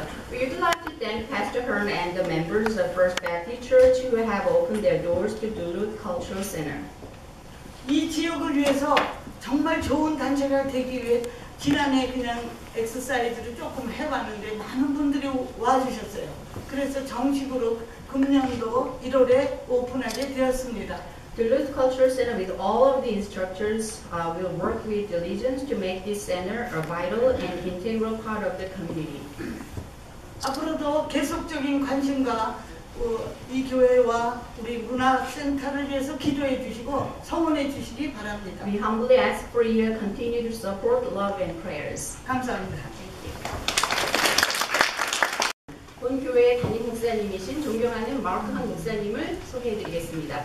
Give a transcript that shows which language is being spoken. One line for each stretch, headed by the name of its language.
English: We'd like to thank Pastor Herman and the members of First Baptist Church who have opened their doors to Duluth Cultural Center.
Korean: 이 지역을 위해서 정말 좋은 단체가 되기 위해 지난해 그냥 엑서사이즈를 조금 해봤는데 많은 분들이 와주셨어요. 그래서 정식으로 금년도 1월에 오픈하게 되었습니다.
English: Duluth Cultural Center with all of the instructors will work with diligence to make this center a vital and integral part of the community.
Korean: 앞으로도 계속적인 관심과 이 교회와 우리 문화센터를 위해서 기도해 주시고 성원해 주시기 바랍니다.
English: We humbly ask for your continued support, love and prayers.
Korean: 감사합니다. 교회의 담임 목사님이신 존경하는 마크 한 목사님을 소개해드리겠습니다.